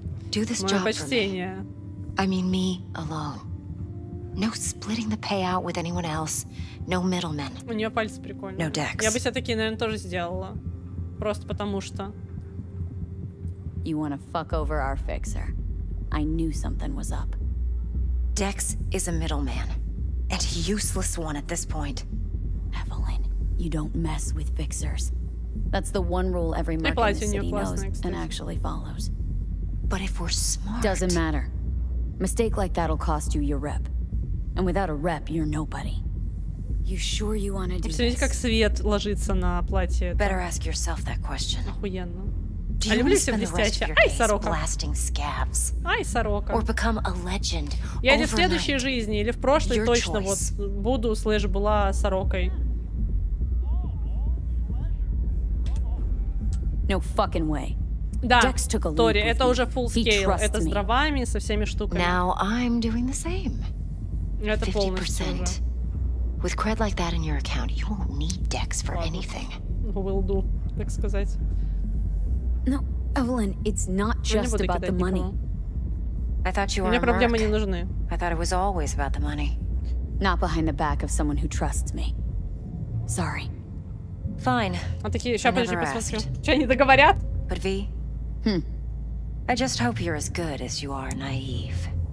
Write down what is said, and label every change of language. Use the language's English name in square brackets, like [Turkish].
[English] Do this job for me. I mean me alone. No splitting the payout with anyone else. No middlemen. [Russian] У нее пальцы прикольные. [English] No Dex. [Russian] Я бы себе такие, наверное, тоже сделала. Просто потому что. [English] You wanna fuck over our fixer? I knew something was up. Dex is a middleman. And a useless one at this point. Evelyn, you don't mess with fixers. That's the one rule every merc in the city knows and actually follows. But if we're smart... Doesn't matter. Mistake like that'll cost you your rep. And without a rep, you're nobody. You sure you wanna do this? [Russian] Как свет ложится на платье. [English] Better ask yourself that question. [Russian] Охуенно. [English] Do you want to spend the rest of your days blasting scabs? [Russian] Ай, сорока. [English] Or become a legend overnight? [Russian] Я или в следующей жизни, или в прошлой точно вот буду, слэш, была сорокой. [English] No fucking way. [Russian] Да, Тори, это уже [English] full scale. [Russian] Это с дровами, со всеми штуками. [English] Now I'm doing the same. [Russian] Это полностью уже. [English] With cred like that in your account, you won't need Dex for anything. Will do, [Russian] так сказать. [English] No, Evelyn, it's not just about the money. I thought you were a merc. I thought it was always about the money. Not behind the back of someone who trusts me. Sorry. Fine. [Russian] Он такие, сейчас подожди, посмотрю. Что они договорят? [English] But V, I just hope you're as good as you are naive.